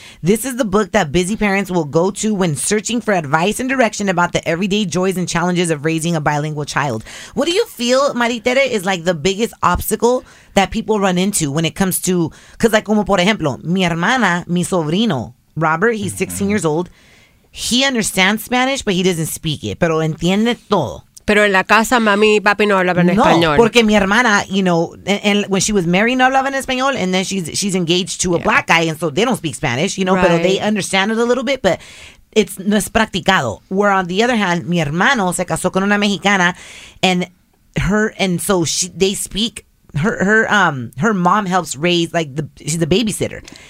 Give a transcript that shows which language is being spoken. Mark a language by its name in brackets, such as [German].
[English] This is the book that busy parents will go to when searching for advice and direction about the everyday joys and challenges of raising a bilingual child. What do you feel, Maritere, is like the biggest obstacle that people run into when it comes to, because like, [Spanish] como por ejemplo, mi hermana, mi sobrino, [English] Robert, he's 16 years old, he understands Spanish, but he doesn't speak it. [Spanish] Pero entiende todo. Pero en la casa, mami y papi no hablaban español. No, porque mi hermana, [English] you know, and when she was married, [Spanish] no hablaban español, [English] and then she's engaged to a black guy, and so they don't speak Spanish, you know, but they understand it a little bit, but it's [Spanish] no es practicado. [English] Where on the other hand, [Spanish] mi hermano se casó con una mexicana, [English] her mom helps raise, like, she's a babysitter.